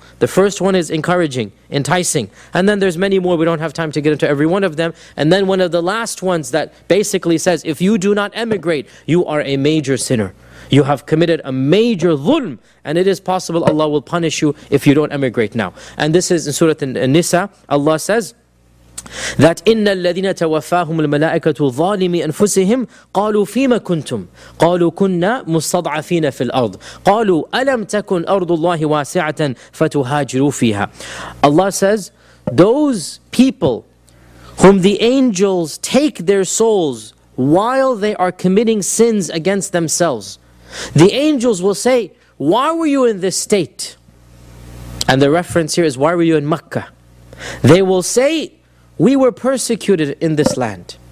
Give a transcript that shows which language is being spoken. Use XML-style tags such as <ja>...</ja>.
<en>The first one is encouraging, enticing. And then there's many more, we don't have time to get into every one of them. And then one of the last ones that basically says, if you do not emigrate, you are a major sinner. You have committed a major dhulm, and it is possible Allah will punish you if you don't emigrate now. And this is in Surah An-Nisa, Allah says that</en> <ar>إِنَّ الَّذِينَ تَوَفَّاهُمُ الْمَلَائِكَةُ ظَالِمِ أَنفُسِهِمْ قَالُوا فِيمَ كُنْتُمْ قَالُوا كُنَّا مُسْتَضْعَفِينَ فِي الْأَرْضِ قَالُوا أَلَمْ تَكُنْ أَرْضُ اللَّهِ وَاسِعَةً فَتُهَاجِرُوا فِيهَا.</ar> <en>Allah says, those people whom the angels take their souls while they are committing sins against themselves, the angels will say, why were you in this state? And the reference here is, why were you in Makkah? They will say, we were persecuted in this land.</en>